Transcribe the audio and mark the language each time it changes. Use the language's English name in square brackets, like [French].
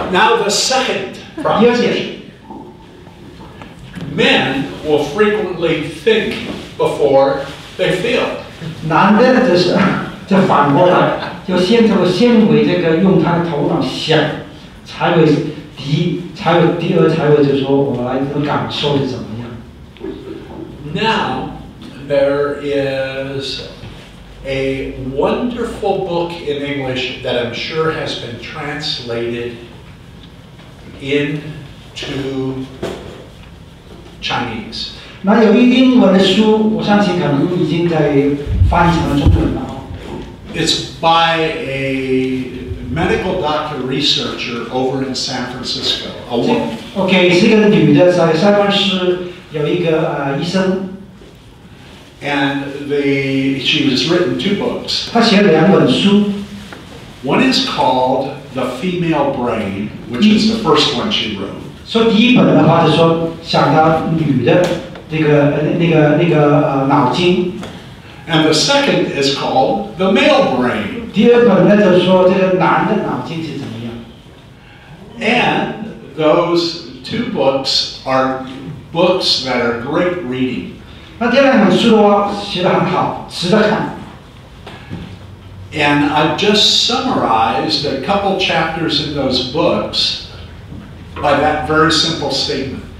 [English] Now the second proposition. Men will frequently think before. They feel. [Chinese] 男的就是，就反过来，就先为这个用他的头脑想，才会就说我来这个感受是怎么样。 [English] Now there is a wonderful book in English that I'm sure has been translated into Chinese. [Chinese] 那有一英文的书，我相信可能已经在翻译成了中文了。 [English] It's by a medical doctor researcher over in San Francisco. A woman. [Chinese] Okay, 是一个女的，在三藩市有一个医生。 [English] And she has written two books. [Chinese] 她写了两本书。 [English] One is called The Female Brain, which is the first one she wrote. [Chinese] 所以第一本的话是说想到女的。那个脑筋 [English] ，and the second is called the male brain。 [Chinese] 第二本呢，就是说这个男的脑筋是怎么样 [English] ？And those two books are books that are great reading。 [Chinese] 那这两本书的话，写得很好，值得看。 [English] And I've just summarized a couple chapters in those books by that very simple statement。